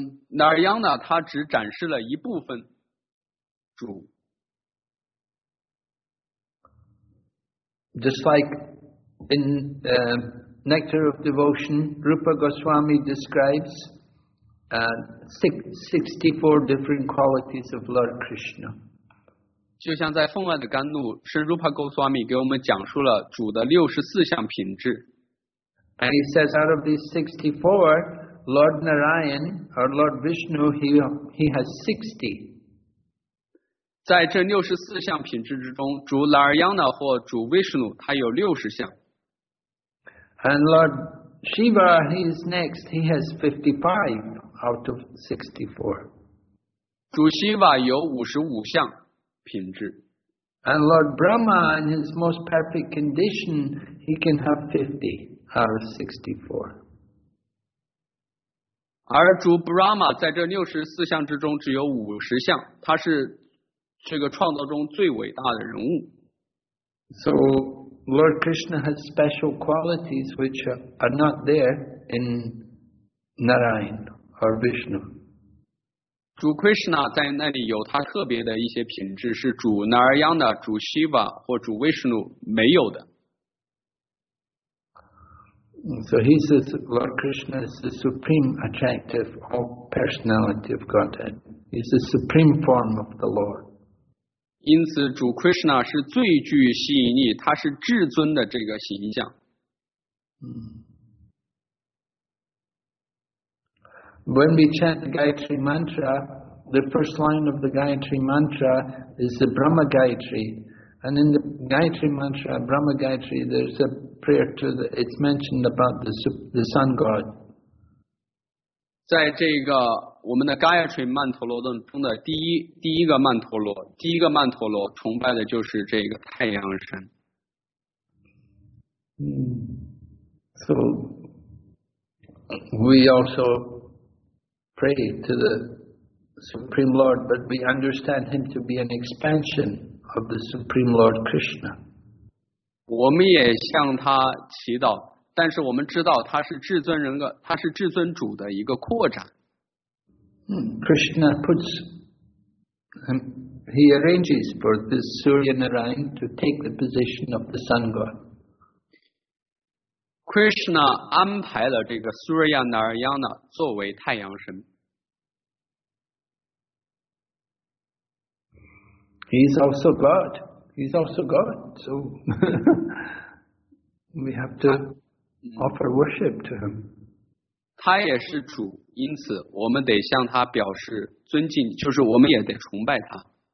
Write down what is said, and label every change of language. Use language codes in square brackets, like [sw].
[zh] Narayana, 他只展示了一部分主。 [en] Just like in Nectar of Devotion, Rupa Goswami describes 64 different qualities of Lord Krishna. [zh] 就像在奉爱的甘露，是 Rupa Goswami 给我们讲述了主的64项品质。 [en] And he says out of these 64, Lord Narayan or Lord Vishnu, he has 60. [zh] 在这64项品质之中，主 Narayana 或主 Vishnu 他有60项。 [en] And Lord Shiva, he is next. He has 55 out of 64. [zh] 主 Shiva 有55项品质。 [en] And Lord Brahma, in his most perfect condition, he can have 50 out of 64. [zh] 而主 Brahma 在这64项之中只有50项，他是这个创造中最伟大的人物。 [en] So,Lord Krishna has special qualities which are not there in Narayan or Vishnu. [zh] 主 Krishna 在那里有他特别的一些品质，是主 Narayana、主 Shiva 或主 Vishnu 没有的。 [en] So he says Lord Krishna is the supreme attractive of personality of Godhead. He's the supreme form of the Lord. [zh] 因此主 Krishna 是最具吸引力，他是至尊的这个形象。 [en] When we chant the Gayatri Mantra, the first line of the Gayatri Mantra is the Brahma Gayatri. And in the Gayatri Mantra, Brahma Gayatri, there's a prayer to the, it's mentioned about the sun god. [zh] 在这个我们的 Gayatri 曼陀罗中的第一个曼陀罗崇拜的就是这个太阳神。 [en] So we also pray to the Supreme Lord, but we understand him to be an expansion of the Supreme Lord Krishna. [zh] 我们也向他祈祷，但是我们知道他是至尊人格，他是至尊主的一个扩展。 [en] Krishna puts, he arranges for this Surya Narayan to take the position of the sun god. [zh] Krishna 安排了这个 Surya Narayana 作为太阳神。 [en] He's also God. He's also God. So we have to offer worship to him. [zh] 他也是主，因此我们得向他表示尊敬，就是我们也得崇拜他。